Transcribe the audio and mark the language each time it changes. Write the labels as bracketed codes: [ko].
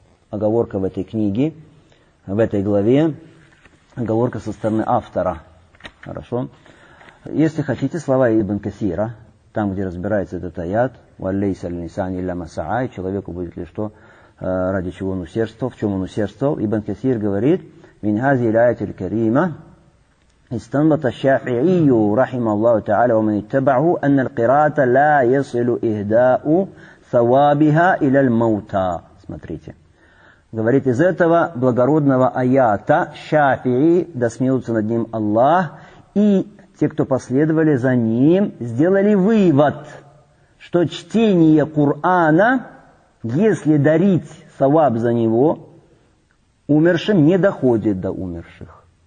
[ru] Оговорка в этой книге, в этой главе, оговорка со стороны автора. Хорошо. Если хотите, слова Ибн Касира, там, где разбирается этот аят, [ar] «Валлейса линсани илля масаа», [ru] и человеку будет ли что, ради чего он усердствовал, в чем он усердствовал. Ибн Касир говорит, [ar] «Мин хази илайатиль карима», استنبط الشافعي رحمه الله تعالى ومن اتبعه أن القراءة لا يصل إهداء ثوابها إلى الموتى. [ru] Смотрите. Говорит, из этого благородного аята Шафии, да смилуется над ним Аллах, и те, кто последовали за ним, сделали вывод, что чтение Кур'ана, если дарить саваб за него, умершим не доходит до умерших.